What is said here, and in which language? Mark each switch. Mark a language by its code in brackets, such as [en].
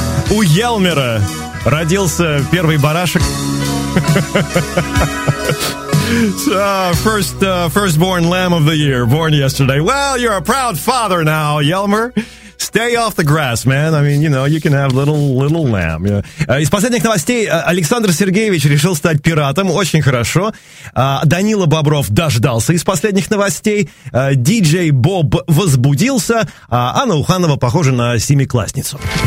[ru] У Елмера родился первый барашек. [en] First born lamb of the year, born yesterday. Well, you're a proud father now, Елмер. Stay off the grass, man. I mean, you know, you can have little lamb. Yeah. [ru] Из последних новостей, Александр Сергеевич решил стать пиратом. Очень хорошо. Данила Бобров дождался из последних новостей. Диджей Боб возбудился. А Анна Уханова похожа на семиклассницу.